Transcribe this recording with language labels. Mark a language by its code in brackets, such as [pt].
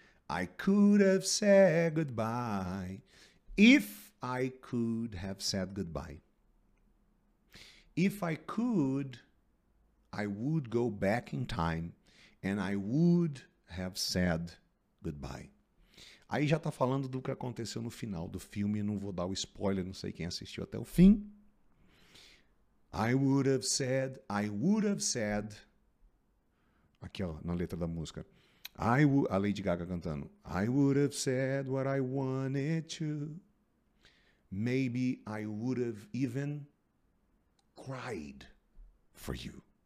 [en] I could have said goodbye. If I could have said goodbye. If I could, I would go back in time and I would have said goodbye. [pt] Aí já tá falando do que aconteceu no final do filme, eu não vou dar o spoiler, não sei quem assistiu até o fim. [en] I would have said, [pt] aqui ó, na letra da música, a Lady Gaga cantando, [en] I would have said what I wanted to, maybe I would have even cried for you.